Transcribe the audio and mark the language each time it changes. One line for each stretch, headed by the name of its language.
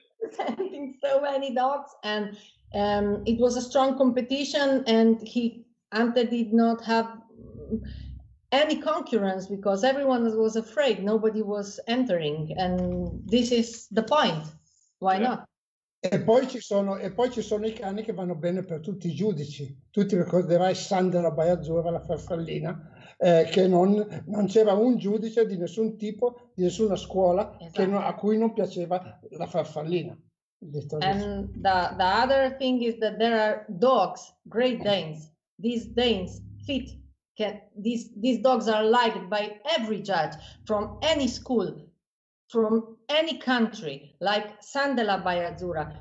English: Presenting so many dogs, and it was a strong competition, and Ante did not have any concurrence because everyone was afraid. Nobody was entering, and this is the point. Why not?
Italian: E poi ci sono i cani che vanno bene per tutti i giudici. Tu ti ricorderai Sandra la Baiazzurra, la farfallina, che non c'era un giudice di nessun tipo, di nessuna scuola, esatto, che a cui non piaceva la farfallina.
English: And the other thing is that there are dogs, great Danes. These Danes fit. These dogs are liked by every judge from any school, from any country, like Sandela Baiazzurra.